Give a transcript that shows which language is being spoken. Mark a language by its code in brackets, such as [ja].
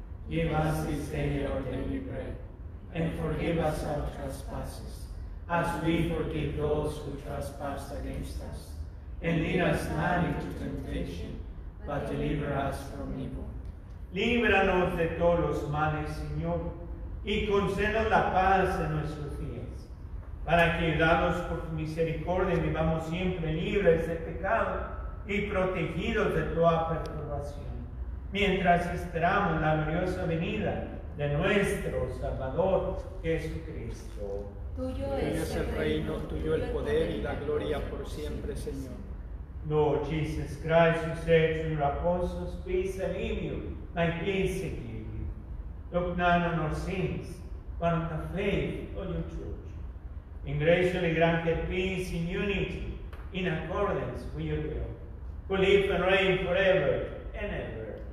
[en] Give us this day our daily bread, and forgive us our trespasses, as we forgive those who trespass against us. And lead us not into temptation, but deliver us from evil. [es] Líbranos de todos los males, Señor, y concédenos la paz en nuestros días, para que, ayudados por tu misericordia, vivamos siempre libres de pecado y protegidos de toda perturbación, mientras esperamos la gloriosa venida de nuestro Salvador Jesucristo. Tuyo es el reino, tuyo el poder y la gloria por siempre, Señor. [en] Lord Jesus Christ, who said to your apostles, peace I leave you, my peace I give you. Look not on our sins, but on the faith of your church. And graciously grant your peace in unity, in accordance with your will, who live and reign forever and ever.